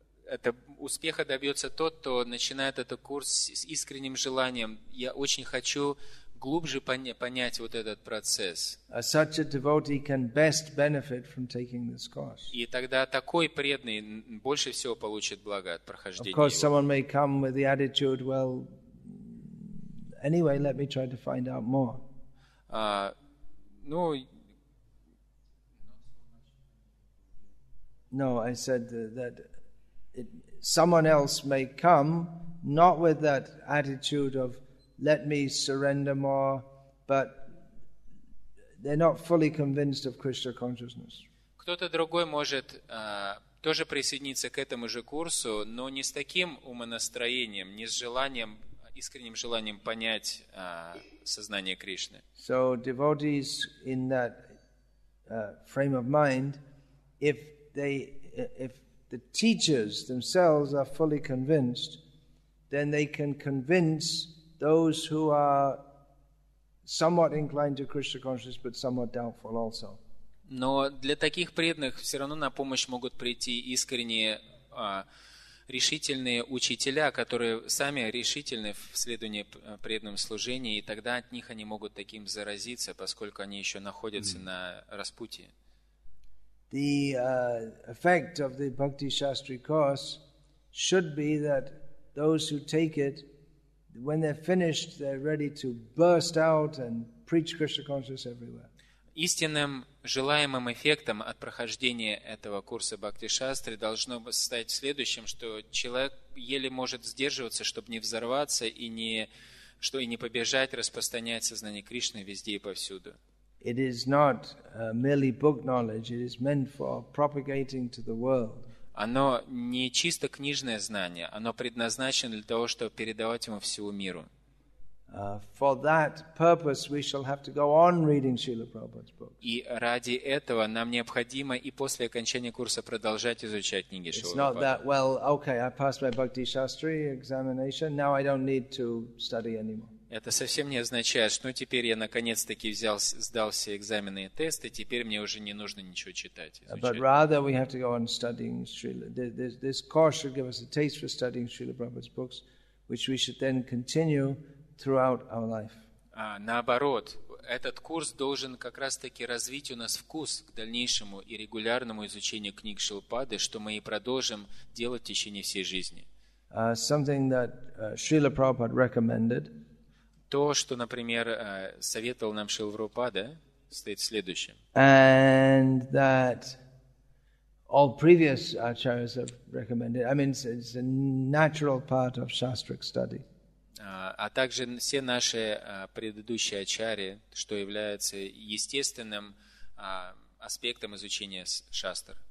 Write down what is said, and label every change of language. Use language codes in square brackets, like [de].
[ru] Это успеха добьется тот, кто начинает этот курс с искренним желанием. Я очень хочу глубже понять вот этот процесс. [en] Such a devotee can best benefit from taking this course. [ru] И тогда такой преданный больше всего получит благо от прохождения. [en] Of course, someone may come with the attitude, well, anyway, let me try to find out more. I said that someone else may come not with that attitude of let me surrender more, but they're not fully convinced of Krishna consciousness. [ru] Кто-то другой может тоже присоединиться к этому же курсу, но не с таким умонастроением, не с желанием, искренним желанием понять сознание Кришны. [en] So devotees in that frame of mind, if the teachers themselves are fully convinced, then they can convince those who are somewhat inclined to Krishna consciousness but somewhat doubtful also. [ru] Но для таких преданных все равно на помощь могут прийти искренние решительные учителя, которые сами решительны в следовании преданным служении, и тогда от них они могут таким заразиться, поскольку они еще находятся на распутье. [en] The effect of the Bhakti Shastri course should be that those who take it, when they're finished, they're ready to burst out and preach Krishna consciousness everywhere. [ru] Истинным желаемым эффектом от прохождения этого курса Бхакти-шастры должно стать следующим, что человек еле может сдерживаться, чтобы не взорваться и не побежать распространять сознание Кришны везде и повсюду. [en] It is not merely book knowledge, it is meant for propagating to the world. [ru] Оно не чисто книжное знание, оно предназначено для того, чтобы передавать ему всему миру. [en] For that purpose, we shall have to go on reading Srila Prabhupada's books. [ru] И ради этого нам необходимо и после окончания курса продолжать изучать книги Шрилы [en] Прабхупады. It's not that, well, okay, I passed my Bhakti Shastri examination, now I don't need to study anymore. [ru] Это совсем не означает, что теперь я наконец-таки сдал все экзамены и тесты, теперь мне уже не нужно ничего читать, изучать. [en] But rather we have to go on studying Srila. This course should give us a taste for studying Srila Prabhupada's books, which we should then continue throughout our life. [ru] Наоборот, этот курс должен как раз-таки развить у нас вкус к дальнейшему и регулярному изучению книг Шилпады, что мы и продолжим делать в течение всей жизни. [en] Something that Srila Prabhupada recommended. [ru] То, что, например, советовал нам Шрила Прабхупада, стоит в следующем. [en] And that all previous acharyas have recommended. I mean, it's a natural part of Shastric study. [ru] А также все наши предыдущие ачарьи, что является естественным аспектом изучения шастр.